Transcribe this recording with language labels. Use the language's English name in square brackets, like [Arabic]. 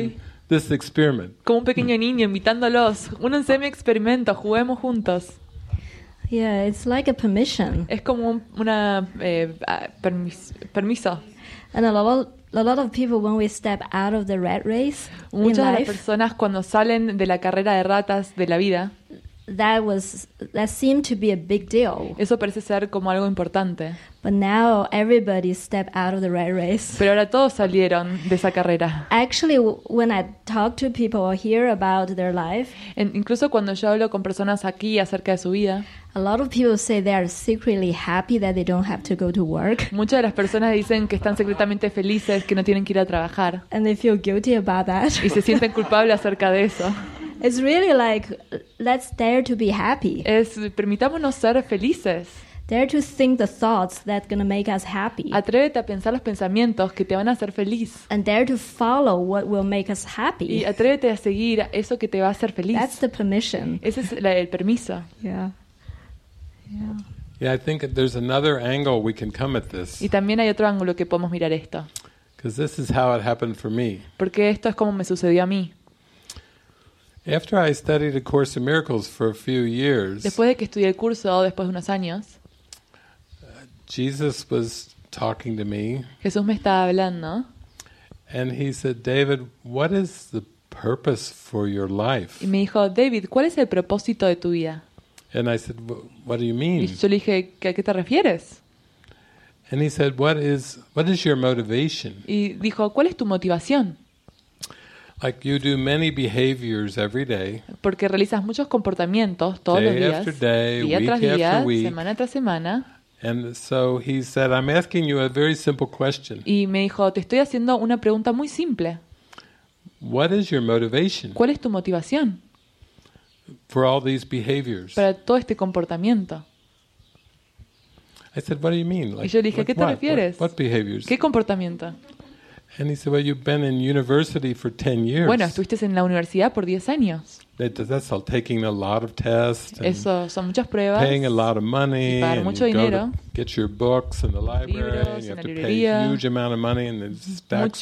[English] in this experiment. [Spanish] Como un pequeño niño invitándolos. Únanse a mi experimento. Juguemos juntos. [English] Yeah, it's like a permission. [Spanish] Es como una permiso. [English] And a lot of people when we step out of the rat race, [Spanish] muchas [English] in life, [Spanish] de las personas cuando salen de la carrera de ratas de la vida, [English] that seemed to be a big deal. [Spanish] Eso parece ser como algo importante. [English] But now everybody stepped out of the rat race. [Spanish] Pero ahora todos salieron de esa carrera. [English] Actually, when I talk to people or hear about their life, [Spanish] incluso cuando yo hablo con personas aquí acerca de su vida, [English] a lot of people say they are secretly happy that they don't have to go to work. [Spanish] Muchas de las personas dicen que están secretamente felices que no tienen que ir a trabajar. [English] And they feel guilty about that. [Spanish] Y se sienten culpables acerca de eso. [English] It's really like let's dare to be happy. [Spanish] Es permitámonos ser felices. [English] Dare to think the thoughts that gonna make us happy. [Spanish] Atrévete a pensar los pensamientos que te van a hacer feliz. [English] And dare to follow what will make us happy. [Spanish] Y atrévete a seguir eso que te va a hacer feliz. [English] That's the permission. [Spanish] Ese es el permiso. [English] Yeah, I think there's another angle we can come at this. [Spanish] Y también hay otro ángulo que podemos mirar esto. [English] Because this is how it happened for me. [Spanish] Porque esto es como me sucedió a mí. [English] After I studied A Course in Miracles for a few years, [Spanish] después de que estudié el curso, después de unos años, [English] Jesus was talking to me. [Spanish] Jesús me estaba hablando. [English] And he said, David, what is the purpose for your life? [Spanish] Y me dijo, David, ¿cuál es el propósito de tu vida? [English] And I said, what do you mean? [Spanish] Y yo le dije, ¿a qué te refieres? [English] And he said, what is your motivation? [Spanish] Y dijo, ¿cuál es tu motivación? [English] Like you do many behaviors every day. [Spanish] Porque realizas muchos comportamientos todos los días. [English] Day after day, week after week, [Spanish] semana tras semana. [English] And so he said, I'm asking you a very simple question. [Spanish] Y me dijo, te estoy haciendo una pregunta muy simple. [English] What is your motivation? [Spanish] ¿Cuál es tu motivación? [English] For all these behaviors. [Spanish] Para todo este comportamiento. [English] I said, what do you mean? [Spanish] Like, y yo le dije, ¿qué te refieres? [English] What behaviors? [Spanish] ¿Qué comportamiento? [English] And he said, well, you've been in university for 10 years. [Spanish] Bueno, estuviste en la universidad por 10 años. [English] That's all, taking a lot of tests. [Spanish] Eso son muchas pruebas. [English] Paying a lot of money. [Spanish] Pagar mucho dinero. [English] Get your books in the library. [Spanish] Libros, [English] and you have to [Spanish] librería, [English] pay a huge amount of money in the stacks